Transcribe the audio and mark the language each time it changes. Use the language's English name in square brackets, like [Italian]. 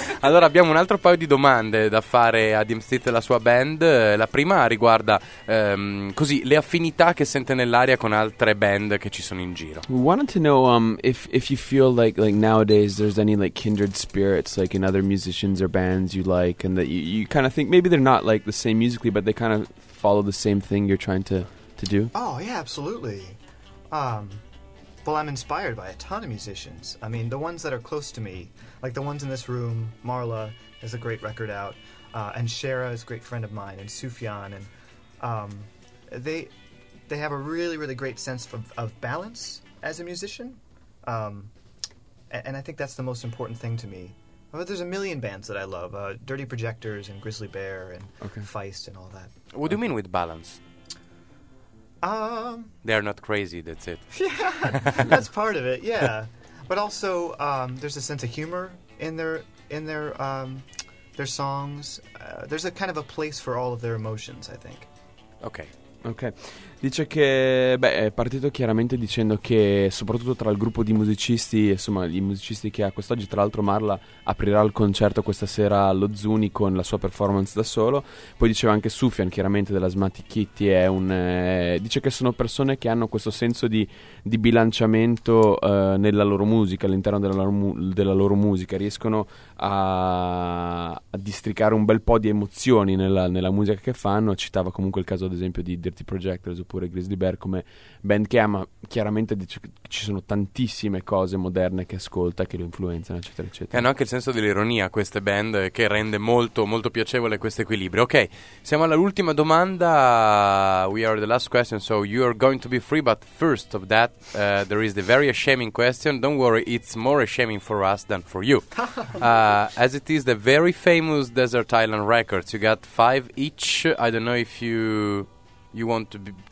[Italian] Allora, abbiamo un altro paio di domande da fare a DMC e la sua band. La prima riguarda così le affinità che sente nell'aria con altre band che ci sono in giro. [English] We wanted to know if you feel like nowadays there's any like kindred spirits like in other musicians or bands you like, and that you kind of think maybe they're not like the same musically, but they kind of follow the same thing you're trying to do. Oh yeah, absolutely. Well, I'm inspired by a ton of musicians. I mean, the ones that are close to me, like the ones in this room, Marla has a great record out, and Shara is a great friend of mine, and Sufjan, and they have a really, really great sense of balance as a musician, and I think that's the most important thing to me. But there's a million bands that I love, Dirty Projectors and Grizzly Bear and okay. Feist and all that. What do you mean with balance? They are not crazy, that's it. Yeah, that's part of it, yeah. But also, there's a sense of humor in their songs. There's a kind of a place for all of their emotions, I think. Ok. [Italian] Dice che, è partito chiaramente dicendo che soprattutto tra il gruppo di musicisti, insomma, i musicisti che ha quest'oggi, tra l'altro Marla aprirà il concerto questa sera allo Zuni con la sua performance da solo. Poi diceva anche Sufjan, chiaramente dell'Asmati Kitty, dice che sono persone che hanno questo senso di bilanciamento nella loro musica, all'interno della loro musica, riescono a districare un bel po' di emozioni nella musica che fanno. Citava comunque il caso ad esempio di Dirty Projectors oppure Grizzly Bear come band che ama, chiaramente ci sono tantissime cose moderne che ascolta, che lo influenzano, eccetera eccetera. E hanno anche il senso dell'ironia queste band, che rende molto molto piacevole questo equilibrio. Ok, siamo all'ultima domanda. [English] We are the last question, so you are going to be free, but first of that there is the very shaming question. Don't worry, it's more shaming for us than for you, as it is the very famous Desert Island Records. You got 5 each. I don't know if you want to be...